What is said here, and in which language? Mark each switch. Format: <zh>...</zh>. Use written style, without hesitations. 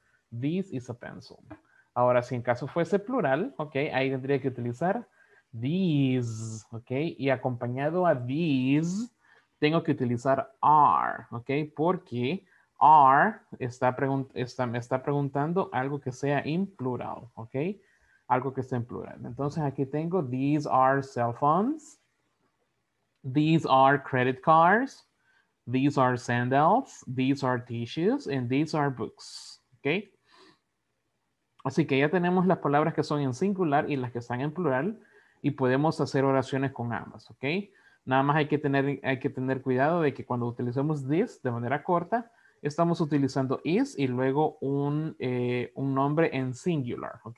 <en>This is a pencil.</en> <es>Ahora, si en caso fuese plural, ¿ok? Ahí tendría que utilizar these, ¿ok? Y acompañado a these, tengo que utilizar are, ¿ok? Porque are me está preguntando algo que sea en plural, ¿ok? Algo que esté en plural. Entonces aquí tengo</es> <en>these are cell phones, these are credit cards, these are sandals, these are tissues, and these are books, ¿ok?</en> <es>Así que ya tenemos las palabras que son en singular y las que están en plural. Y podemos hacer oraciones con ambas, ¿ok? Nada más hay que tener cuidado de que cuando utilicemos this de manera corta, estamos utilizando is y luego un nombre en singular, ¿ok?</es>